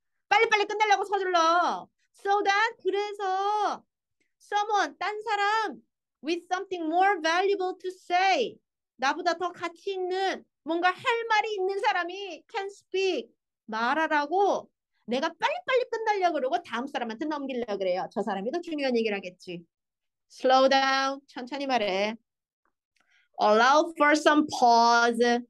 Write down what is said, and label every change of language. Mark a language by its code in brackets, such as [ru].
[ko] 빨리빨리 끝내려고 서둘러. [en] So that, 그래서 someone, 딴 사람, with something more valuable to say. [ko] 나보다 더 가치 있는 뭔가 할 말이 있는 사람이 [en] can speak [ko] 말하라고 내가 빨리빨리 끝내려고 그러고 다음 사람한테 넘기려고 그래요. 저 사람이 더 중요한 얘기를 하겠지. [en] Slow down. [ko] 천천히 말해. [en] Allow for some pause.